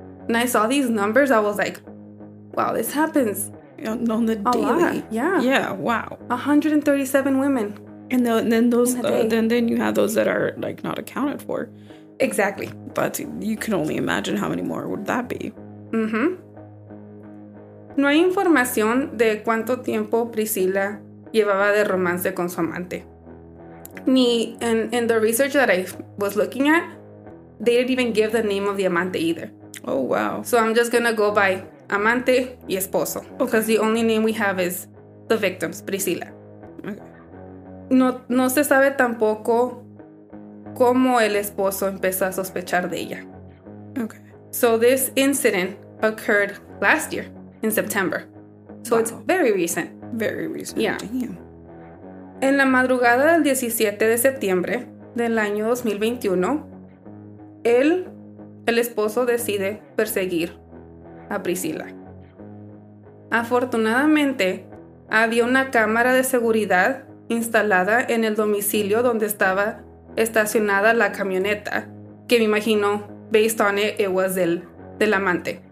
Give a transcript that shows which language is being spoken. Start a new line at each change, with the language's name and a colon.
English: And I saw these numbers, I was like, wow, this happens on the a daily. Lot. Yeah. Yeah, wow. 137 women. And then you have those that are like not accounted for. Exactly. But you can only imagine how many more would that be. Mm-hmm.
Spanish: No hay información de cuánto tiempo Priscila llevaba de romance con su amante.
English: Ni in the research that I was looking at, they didn't even give the name of the amante either. Oh, wow. So I'm just going to go by
Spanish: amante y esposo.
English: Because the only name we have is the victims, Priscila. Okay.
Spanish: No se sabe tampoco cómo el esposo empezó a sospechar de ella.
English: Okay. So this incident occurred last year in September. So wow. It's very recent. Very recent. Yeah. Damn.
Spanish: En la madrugada del 17 de septiembre del año 2021, el esposo decide perseguir a Priscila. Afortunadamente, había una cámara de seguridad instalada en el domicilio donde estaba estacionada la camioneta, que me imagino,
English: based on it was
Spanish: del amante.